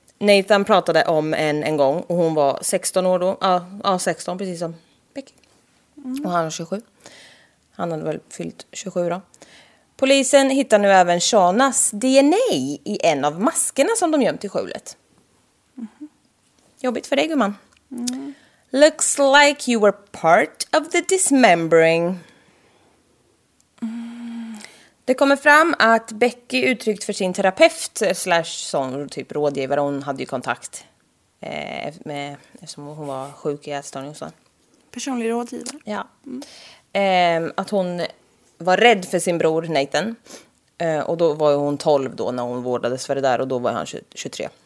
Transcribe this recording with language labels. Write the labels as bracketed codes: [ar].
[sv] Nathan pratade om en gång. Och hon var 16 år då. Ja, 16, precis som Becky. Mm. Och han var 27. Han hade väl fyllt 27 då. Polisen hittar nu även Shanas DNA i en av maskerna som de gömt i skjulet. Mm-hmm. Jobbigt för dig, gumman. Mm. [en] Looks like you were part of the dismembering. Mm. [sv] Det kommer fram att Becky uttryckt för sin terapeut slash sån typ rådgivare. Hon hade ju kontakt med, eftersom hon var sjuk i ätstörning och så. Personlig rådgivare? Ja. Att hon var rädd för sin bror Nathan. Och då var hon 12 då när hon vårdades för det där. Och då var han 23.